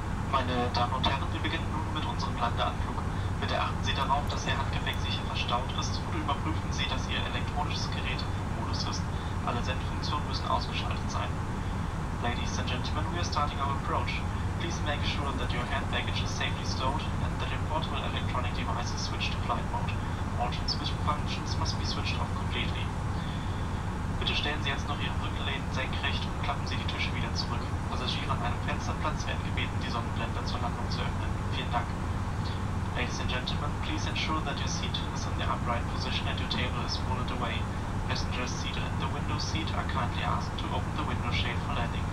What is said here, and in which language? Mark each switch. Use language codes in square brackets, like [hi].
[de] Meine Damen und Herren, wir beginnen nun mit unserem Landeanflug. Bitte achten Sie darauf, dass Ihr Handgepäck sicher verstaut ist oder überprüfen Sie, dass Ihr elektronisches Gerät im Modus ist. Alle Sendfunktionen müssen ausgeschaltet sein. [en] Ladies and gentlemen, we are starting our approach. Please make sure that your hand baggage is safely stowed and that your portable electronic device is switched to flight mode. All transmission functions must be switched off completely. [de] Bitte stellen Sie jetzt noch Ihre Rückenlehnen senkrecht und klappen Sie die Tische wieder zurück. Passagiere an einem Fensterplatz werden gebeten, die Sonnenblende zur Landung zu öffnen. Vielen Dank. [en] Ladies and gentlemen, please ensure that your seat is in the upright position and your table is folded away. Passengers seated in the window seat are kindly asked to open the window shade for landing.